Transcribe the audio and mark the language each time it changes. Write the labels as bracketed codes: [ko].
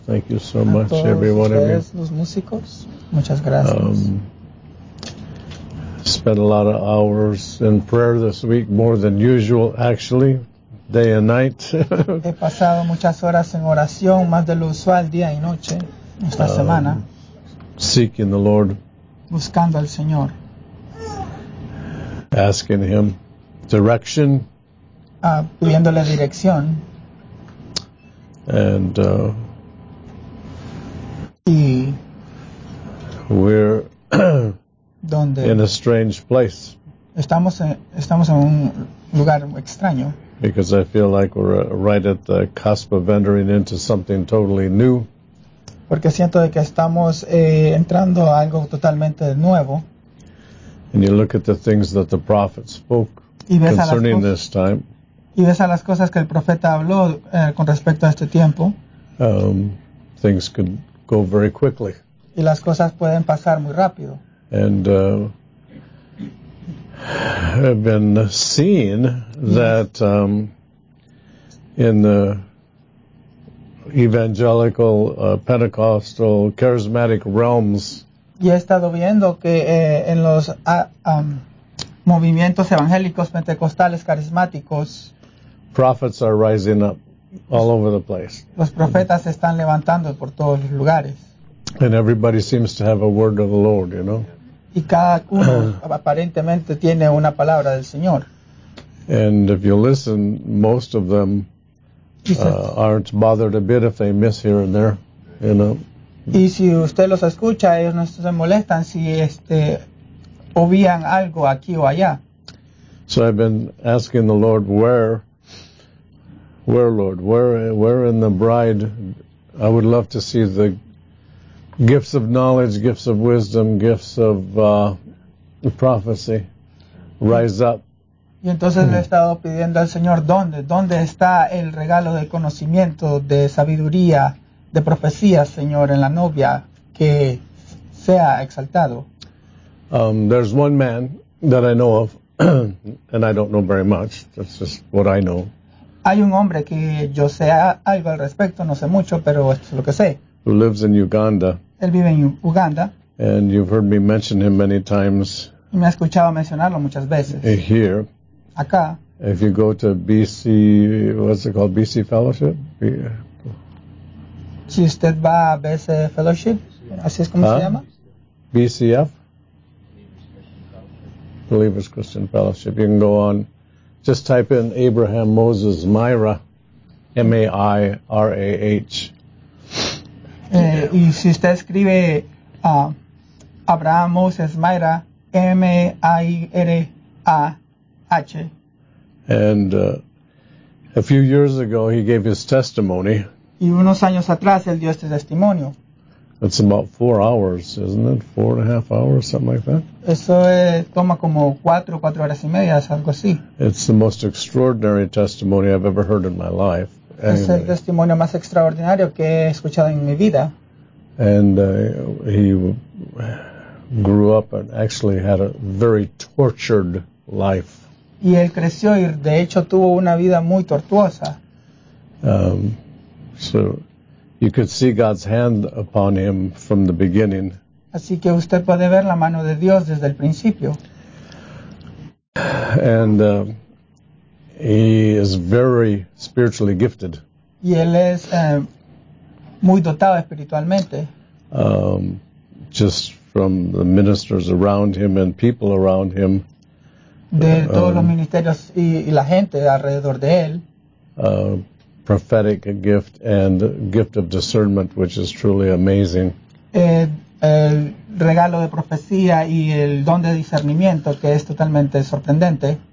[en] Thank you so much, every one of you. [es] Los músicos. Muchas gracias. [en] Spent a lot of hours in prayer this week, more than usual, actually, day and night. [es] He pasado muchas horas en oración, más de lo usual, día y noche, esta semana. [en] Seeking the Lord. [es] Buscando al Señor. [en] Asking Him direction. [es] Pidiéndole dirección. [en] And [es] y [en] we're [es] donde [en] in a strange place. [es] Estamos en un lugar extraño. [en] Because I feel like we're right at the cusp of entering into something totally new. [es] Porque siento de que estamos entrando a algo totalmente nuevo. [en] And you look at the things that the prophet spoke concerning this time. [es] Y ves a las cosas que el profeta habló con respecto a este tiempo. [en] Things could go very quickly. [es] Y las cosas pueden pasar muy rápido. [en] And I've been seeing that in the evangelical, Pentecostal, charismatic realms. [es] Y he estado viendo que en los movimientos evangélicos, pentecostales, carismáticos. [en] Prophets are rising up all over the place. [es] Los profetas están levantando por todos los lugares. [en] And everybody seems to have a word of the Lord, you know. [es] Y cada uno aparentemente tiene una palabra del Señor. [en] And if you listen, most of them aren't bothered a bit if they miss here and there, you know. [es] Y si usted los escucha, ellos no se molestan si obvian algo aquí o allá. [en] So I've been asking the Lord where, Lord, where in the bride, I would love to see the gifts of knowledge, gifts of wisdom, gifts of prophecy rise up. [es] Y entonces le he estado pidiendo al Señor, ¿dónde está el regalo de conocimiento, de sabiduría, de profecía, Señor, en la novia, que sea exaltado? [en] There's one man that I know of, and I don't know very much, that's just what I know. [es] Hay un hombre que yo sé algo al respecto, no sé mucho, pero esto es lo que sé. [en] Who lives in Uganda. [es] Él vive en Uganda. [en] And you've heard me mention him many times. [es] Y me ha escuchado mencionarlo muchas veces. [en] Here. [es] Acá. [en] If you go to BC, what's it called, BC Fellowship? [es] Si usted va a BC Fellowship, así es como se llama. [en] BCF? Believers Christian Fellowship. You can go on. Just type in Abraham Moses Myra. M-A-I-R-A-H. [es] Y si usted escribe Abraham Moses Mayra, M-A-I-R-A-H. [en] And a few years ago, he gave his testimony. [es] Y unos años atrás, él dio este testimonio. [en] It's about 4 hours, isn't it? 4.5 hours, something like that? [es] Eso toma como cuatro horas y media, algo así. [en] It's the most extraordinary testimony I've ever heard in my life. [es] Es el testimonio más extraordinario que he escuchado en mi vida. [en] And he grew up and actually had a very tortured life. [es] Y él creció y de hecho tuvo una vida muy tortuosa. [en] So you could see God's hand upon him from the beginning. [es] Así que usted puede ver la mano de Dios desde el principio. [en] And he is very spiritually gifted. [es] Y él es muy dotado espiritualmente. [en] Just from the ministers around him and people around him. [es] De todos los ministerios y la gente alrededor de él. [en] Prophetic gift and gift of discernment, which is truly amazing. [es] El regalo de profecía y el don de discernimiento, que es totalmente sorprendente.